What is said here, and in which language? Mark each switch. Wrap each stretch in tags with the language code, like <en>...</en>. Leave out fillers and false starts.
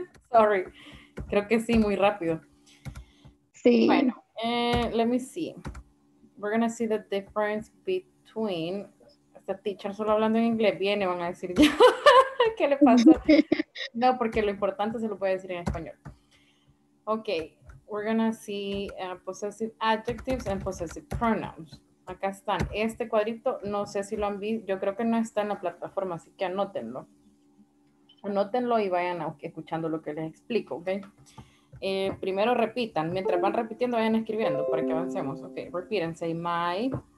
<es>Sorry. Creo que sí, muy rápido. Sí.</es> <en>Bueno, let me see. We're going to see the difference between the teacher</en> <es>solo hablando en inglés. Viene, van a decir yo. ¿Qué le pasó? No, porque lo importante se lo puede decir en español.</es> <en>Okay, we're going to see possessive adjectives and possessive pronouns.</en> <es>Acá están. Este cuadrito, no sé si lo han visto. Yo creo que no está en la plataforma, así que anótenlo. Anótenlo y vayan escuchando lo que les explico, okay? Primero repitan, mientras van repitiendo vayan escribiendo para que avancemos. Ok, repiten,</es> <en>say my.</en>